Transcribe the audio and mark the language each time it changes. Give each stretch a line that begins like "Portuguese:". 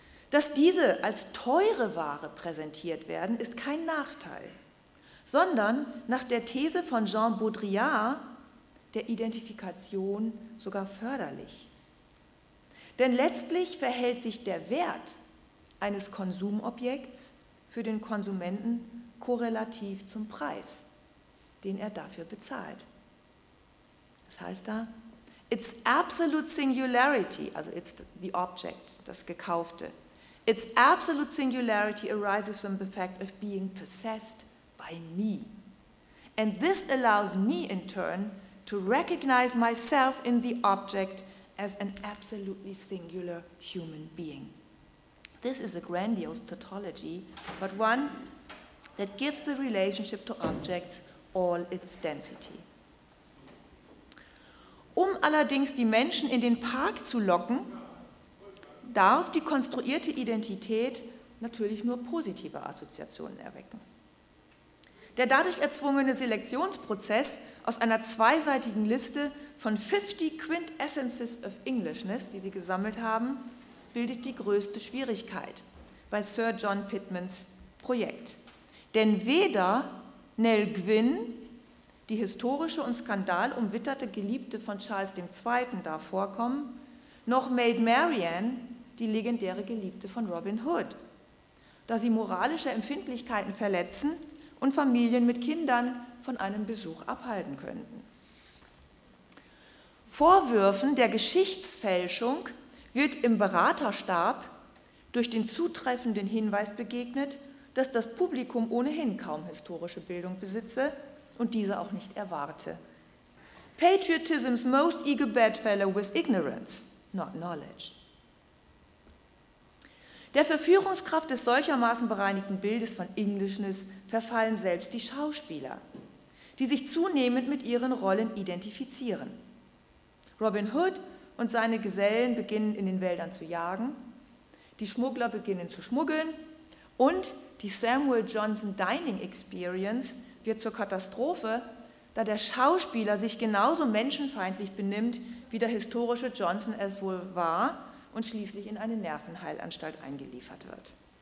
German: Dass diese als teure Ware präsentiert werden, ist kein Nachteil, sondern nach der These von Jean Baudrillard der Identifikation sogar förderlich. Denn letztlich verhält sich der Wert eines Konsumobjekts für den Konsumenten korrelativ zum Preis, den er dafür bezahlt. Das heißt da,
English: its absolute singularity,
German: also
English: it's the object,
German: das Gekaufte,
English: its absolute singularity arises from the fact of being possessed by me. And this allows me in turn to recognize myself in the object as an absolutely singular human being. This is a grandiose tautology, but one that gives the relationship to objects all its density.
German: Um allerdings die Menschen in den Park zu locken, darf die konstruierte Identität natürlich nur positive Assoziationen erwecken. Der dadurch erzwungene Selektionsprozess aus einer zweiseitigen Liste von 50
English: Quintessences of Englishness,
German: die sie gesammelt haben, bildet die größte Schwierigkeit bei Sir John Pittmans Projekt. Denn weder Nell Gwynn, die historische und skandalumwitterte Geliebte von Charles II., darf vorkommen, noch Maid Marian, die legendäre Geliebte von Robin Hood, da sie moralische Empfindlichkeiten verletzen und Familien mit Kindern von einem Besuch abhalten könnten. Vorwürfen der Geschichtsfälschung wird im Beraterstab durch den zutreffenden Hinweis begegnet, dass das Publikum ohnehin kaum historische Bildung besitze und diese auch nicht erwarte.
English: Patriotism's most eager bedfellow was ignorance, not knowledge.
German: Der Verführungskraft des solchermaßen bereinigten Bildes von Englishness verfallen selbst die Schauspieler, die sich zunehmend mit ihren Rollen identifizieren. Robin Hood und seine Gesellen beginnen in den Wäldern zu jagen, die Schmuggler beginnen zu schmuggeln und die Samuel Johnson Dining Experience wird zur Katastrophe, da der Schauspieler sich genauso menschenfeindlich benimmt, wie der historische Johnson es wohl war und schließlich in eine Nervenheilanstalt eingeliefert wird.